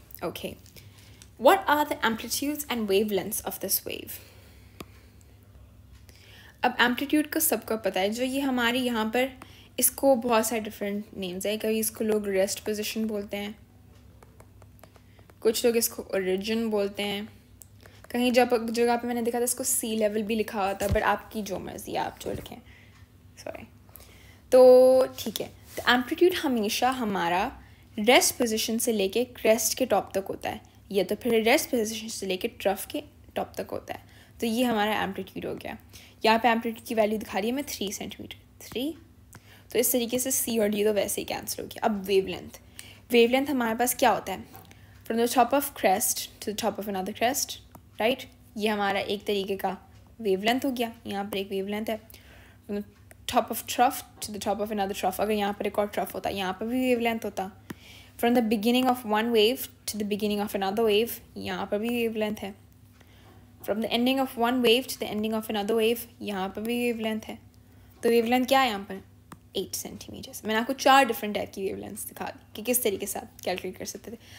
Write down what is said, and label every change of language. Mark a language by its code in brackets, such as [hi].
[en] Okay, what are the amplitudes and wavelengths of this wave? [hi] अब amplitude का सबको पता है. जो ये हमारी यहाँ पर, इसको बहुत सारे different names है. कभी इसको लोग rest position बोलते हैं, कुछ लोग इसको origin बोलते हैं, कहीं जब जगह पर मैंने देखा था इसको sea level भी लिखा हुआ था. बट आपकी जो मर्जी है, आप जो लिखें, सॉरी. तो ठीक है, तो amplitude हमेशा हमारा rest position से लेके crest के top तक होता है, या तो फिर रेस्ट पोजिशन से लेके ट्रफ के टॉप तक होता है. तो ये हमारा एम्पलीट्यूड हो गया. यहाँ पे एम्पलीट्यूड की वैल्यू दिखा रही है मैं 3 सेंटीमीटर. तो इस तरीके से सी और डी तो वैसे ही कैंसिल हो गया. अब वेवलेंथ, वेवलेंथ हमारे पास क्या होता है? [en] From the top of crest to the top of another crest, right? [hi] ये हमारा एक तरीके का वेवलेंथ हो गया. यहाँ पर एक वेवलेंथ है. [en] from the top of trough to the top of another trough, [hi] अगर यहाँ पर एक और ट्रफ होता, यहाँ पर भी वेवलेंथ होता. [en] From the beginning of one wave to the beginning of another wave, [hi] यहाँ पर भी wavelength है. [en] From the ending of one wave to the ending of another wave, [hi] यहाँ पर भी wavelength है. तो wavelength क्या है यहाँ पर? 8 सेंटीमीटर्स. मैंने आपको चार different type की wavelengths दिखा दी कि किस तरीके से आप calculate कर सकते थे.